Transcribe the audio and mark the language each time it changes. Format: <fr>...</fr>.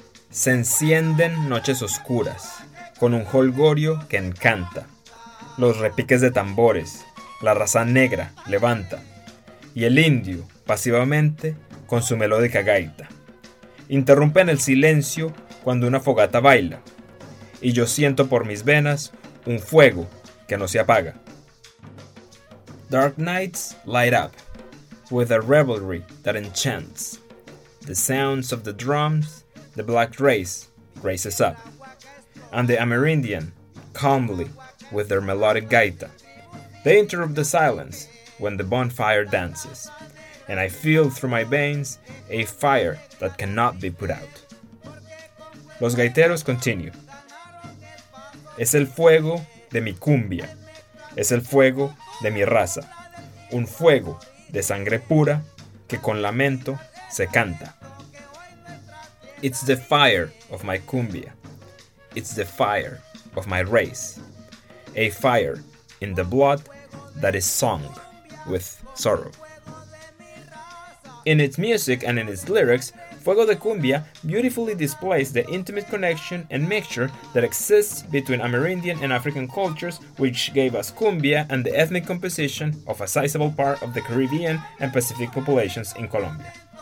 <es>Se encienden noches oscuras con un jolgorio que encanta, los repiques de tambores, la raza negra levanta, y el indio, pasivamente, con su melódica gaita. Interrumpen el silencio cuando una fogata baila, y yo siento por mis venas un fuego que no se apaga.</es> <en>Dark nights light up, with a revelry that enchants. The sounds of the drums, the black race, raises up. And the Amerindian, calmly, with their melodic gaita. They interrupt the silence when the bonfire dances, and I feel through my veins a fire that cannot be put out.</en> <es>Los Gaiteros continue. Es el fuego de mi cumbia. Es el fuego de mi raza. Un fuego de sangre pura que con lamento se canta.</es> <en>It's the fire of my cumbia. It's the fire of my race, a fire in the blood that is sung with sorrow. In its music and in its lyrics, Fuego de Cumbia beautifully displays the intimate connection and mixture that exists between Amerindian and African cultures, which gave us cumbia and the ethnic composition of a sizable part of the Caribbean and Pacific populations in Colombia.</en>